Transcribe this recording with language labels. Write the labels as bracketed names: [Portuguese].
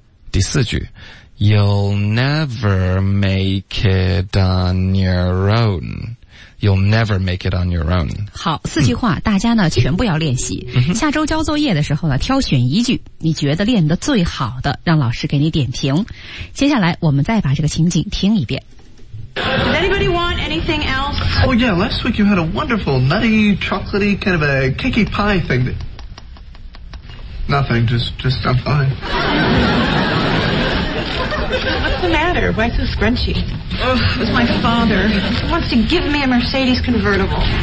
[Chinese] 第四句 [English] You'll never make it on your own You'll never make it on your own [Chinese] 好四句话大家呢全部要练习下周交作业的时候呢挑选一句你觉得练得最好的让老师给你点评接下来我们再把这个情景听一遍 [English] Does anybody want anything else? Oh yeah, last week you had a wonderful nutty, chocolatey, kind of a cakey pie thing Nothing, just I'm fine What's the matter? Why so scrunchy? Oh, it was my father. He wants to give me a Mercedes convertible.